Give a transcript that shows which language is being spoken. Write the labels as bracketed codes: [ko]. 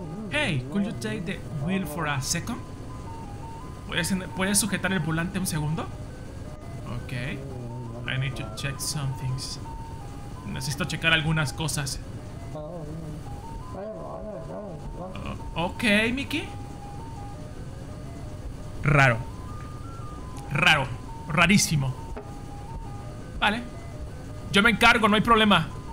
[en] Hey, could you take the wheel for a second? [es] ¿Puedes sujetar el volante un segundo? Ok. [en] I need to check some things. [es] Necesito checar algunas cosas. Ok, Mickey. Raro. Raro. Rarísimo. Vale. Yo me encargo, no hay problema.